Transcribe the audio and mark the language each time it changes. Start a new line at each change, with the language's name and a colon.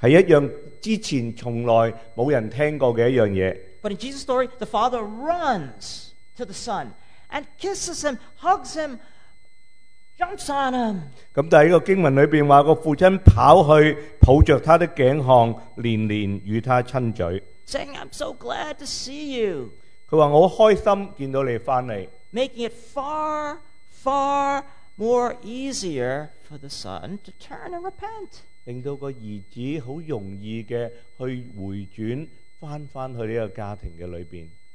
Cantonese: 係一樣之前從來冇人聽過嘅一樣嘢。
English: But in Jesus' story, the father runs to the son and kisses him, hugs him, jumps on him.
Cantonese: 咁但系呢个经文里边话个父亲跑去抱着他的颈项，连连与他亲嘴，
English: saying I'm so glad to see you.
Cantonese: 佢话我好开心见到你翻嚟，
English: making it far more easier for the son to turn and repent.
Cantonese: 令到个儿子好容易嘅去回转翻去呢个家庭嘅里边。